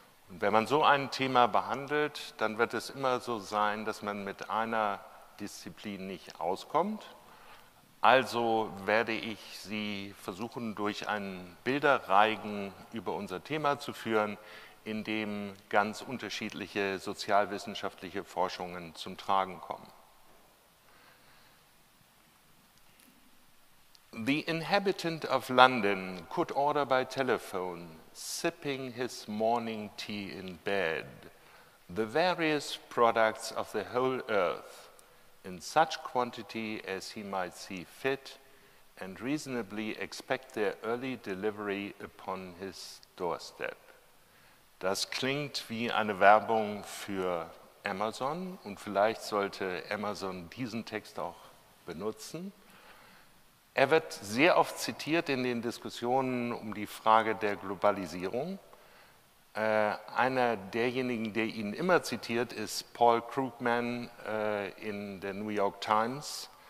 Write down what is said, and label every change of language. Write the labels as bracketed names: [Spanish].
[German] Und wenn man so ein Thema behandelt, dann wird es immer so sein, dass man mit einer Disziplin nicht auskommt. Also werde ich Sie versuchen, durch einen Bilderreigen über unser Thema zu führen, in dem ganz unterschiedliche sozialwissenschaftliche Forschungen zum Tragen kommen. [English] The inhabitant of London could order by telephone, sipping his morning tea in bed, the various products of the whole earth in such quantity as he might see fit and reasonably expect their early delivery upon his doorstep. [German] Das klingt wie eine Werbung für Amazon und vielleicht sollte Amazon diesen Text auch benutzen. Er wird sehr oft zitiert in den Diskussionen um die Frage der Globalisierung. Einer derjenigen, der ihn immer zitiert, ist Paul Krugman in der New York Times.